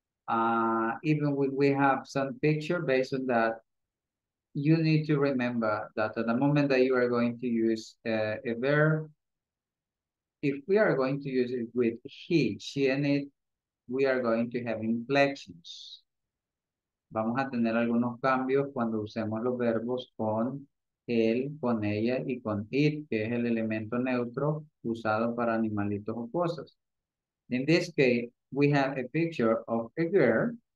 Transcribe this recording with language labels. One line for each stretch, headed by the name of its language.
English: Even when we have some picture based on that, you need to remember that at the moment that you are going to use a verb, if we are going to use it with he, she, and it, we are going to have inflections.
Spanish: Vamos a tener algunos cambios cuando usemos los verbos con él, con ella y con it, que es el elemento neutro usado para animalitos o cosas.
English: In this case, we have a picture of a girl.